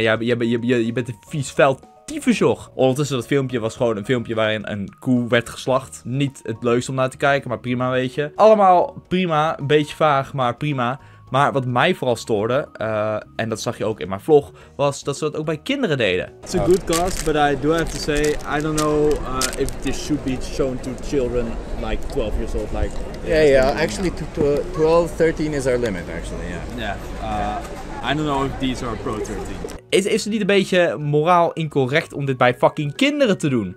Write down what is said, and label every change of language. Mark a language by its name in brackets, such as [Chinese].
[Dutch] Je bent een vies veld. Dievenjog. Ondertussen, dat filmpje was gewoon een filmpje waarin een koe werd geslacht. Niet het leukste om naar te kijken, maar prima, weet je. Allemaal prima, een beetje vaag, maar prima. Maar wat mij vooral stoorde, en dat zag je ook in mijn vlog, was dat ze dat ook bij kinderen deden. [English] It's a good cause, but I do have to say, I don't know if this should be shown to children like 12 years old. Like, yeah, actually 12, 13 is our limit, actually, yeah. Yeah, I don't know if these are pro 13. [Dutch] Is het niet een beetje moraal incorrect om dit bij fucking kinderen te doen?